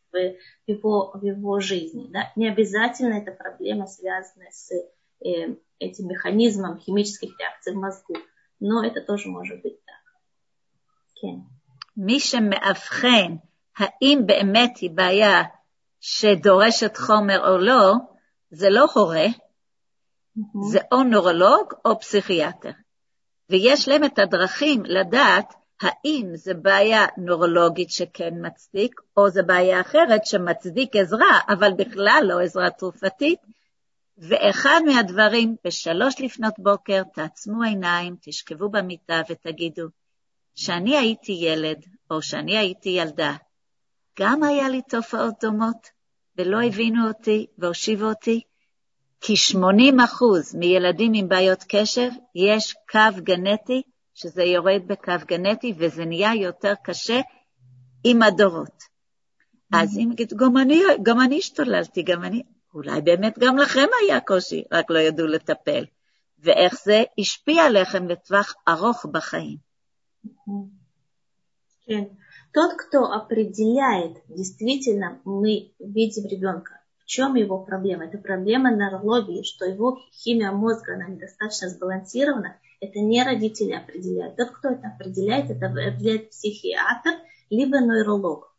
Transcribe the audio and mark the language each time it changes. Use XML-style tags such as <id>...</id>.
<ru>В его жизни. Да? Не обязательно это проблема, связанная с этим механизмом химических реакций в мозгу. Но это тоже может быть так.</ru> <he>Ми ше меавхен, хаим беэмет и бая, ше дорешет хомер о ло, зе ло хоре, зе о нуролог о психиатр. ויש להם את הדרכים לדעת, האם זה בעיה נורולוגית שכן מצדיק, או זה בעיה אחרת שמצדיק עזרה, אבל בכלל לא עזרה תרופתית, ואחד מהדברים, בשלוש לפנות בוקר, תעצמו עיניים, תשכבו במיטה ותגידו, שאני הייתי ילד, או שאני הייתי ילדה, גם היה לי תופעות דומות, ולא הבינו אותי, והושיבו אותי, כי 80% מילדים עם בעיות קשב, יש קו גנטי, שזה יורד בקו גנטי, וזה נהיה יותר קשה עם הדורות. אז אם נגיד, גם אני השתוללתי, גם אני, אולי באמת גם לכם היה קושי, רק לא ידעו לטפל. ואיך זה השפיע עליכם לטווח ארוך בחיים. כן.</he> <ru>Тот, кто определяет, действительно, мы видим ребенка, в чем его проблема? Это проблема нейрологии, что его химия мозга, она недостаточно сбалансирована, это не родители определяют. Тот, кто это определяет, это определяет психиатр, либо нейролог.</ru>